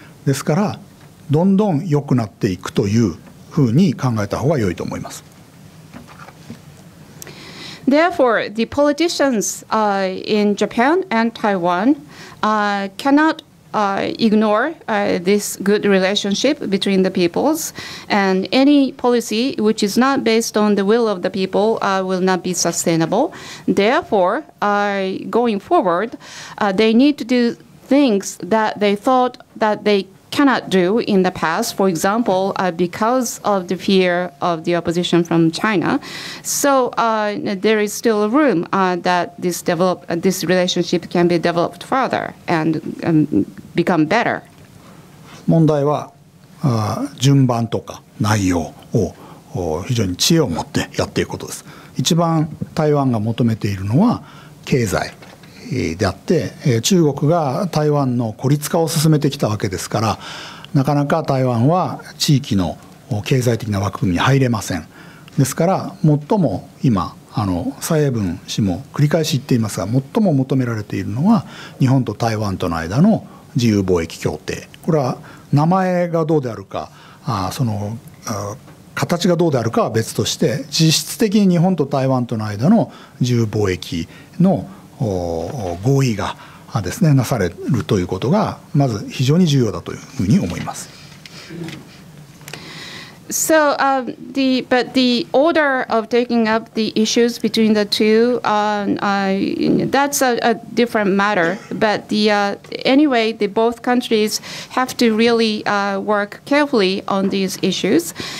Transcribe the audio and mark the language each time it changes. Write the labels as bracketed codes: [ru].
[ja] ですからどんどん良くなっていくというふうに考えた方が良いと思います。 [en] Therefore, the politicians in Japan and Taiwan cannot ignore this good relationship between the peoples, and any policy which is not based on the will of the people will not be sustainable. Therefore, going forward, they need to do things that they thought that they cannot do in the past, for example, because of the fear of the opposition from China. So there is still room that this relationship can be developed further and become better. [ja] 問題は順番とか内容を非常に知恵を持ってやっていくことです。一番台湾が求めているのは経済であって、中国が台湾の孤立化を進めてきたわけですから、なかなか台湾は地域の経済的な枠組みに入れません。ですから最も今蔡英文氏も繰り返し言っていますが、最も求められているのは日本と台湾との間の自由貿易協定。これは名前がどうであるか、その形がどうであるかは別として、実質的に日本と台湾との間の自由貿易の合意がですね、なされるということがまず非常に重要だというふうに思います。 [en] So, but the order of taking up the issues between the two, that's a different matter. But the, anyway, the both countries have to really work carefully on these issues.